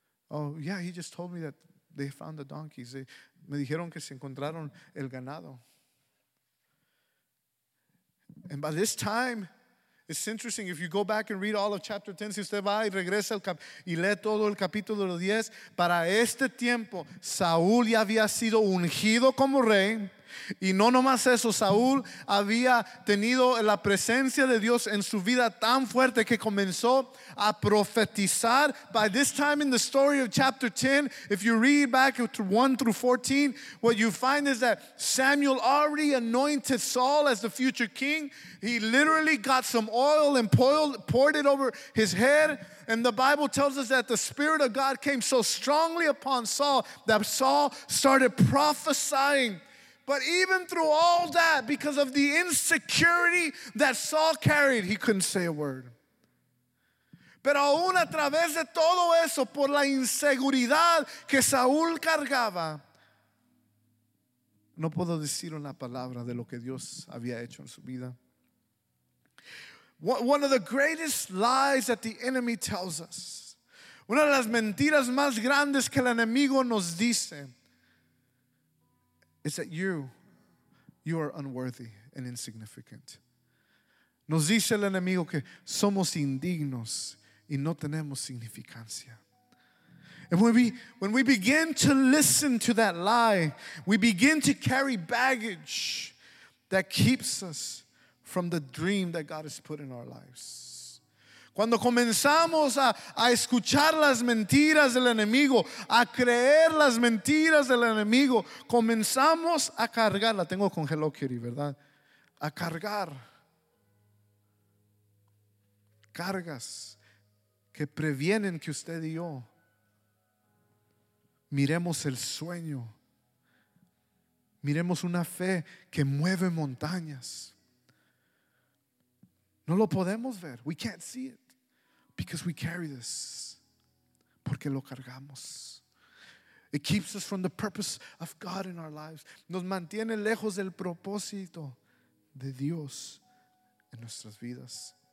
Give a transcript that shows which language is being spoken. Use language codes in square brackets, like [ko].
[en] Oh, yeah, he just told me that they found the donkeys. [es] Me dijeron que se encontraron el ganado. [en] And by this time, it's interesting, if you go back and read all of chapter 10, [es] si usted va y regresa y lee todo el capítulo 10, para este tiempo, Saúl ya había sido ungido como rey. Y no nomás eso, Saúl había tenido la presencia de Dios en su vida tan fuerte que comenzó a profetizar. [en] By this time in the story of chapter 10, if you read back to 1 through 14, what you find is that Samuel already anointed Saul as the future king. He literally got some oil and poured it over his head. And the Bible tells us that the Spirit of God came so strongly upon Saul that Saul started prophesying. But even through all that, because of the insecurity that Saul carried, he couldn't say a word. [es] Pero aún a través de todo eso, por la inseguridad que Saúl cargaba, no puedo decir una palabra de lo que Dios había hecho en su vida. [en] One of the greatest lies that the enemy tells us, [es] una de las mentiras más grandes que el enemigo nos dice, [en] is that you are unworthy and insignificant. [es] Nos dice el enemigo que somos indignos y no tenemos significancia. [en] And when we begin to listen to that lie, we begin to carry baggage that keeps us from the dream that God has put in our lives. [es] Cuando comenzamos a escuchar las mentiras del enemigo, a creer las mentiras del enemigo, comenzamos a cargar, la tengo con Hello Kitty, ¿verdad? A cargar cargas que previenen que usted y yo miremos el sueño, miremos una fe que mueve montañas. No lo podemos ver. [en] We can't see it. Because we carry this, [es] porque lo cargamos. [en] It keeps us from the purpose of God in our lives. [es] Nos mantiene lejos del propósito de Dios en nuestras vidas.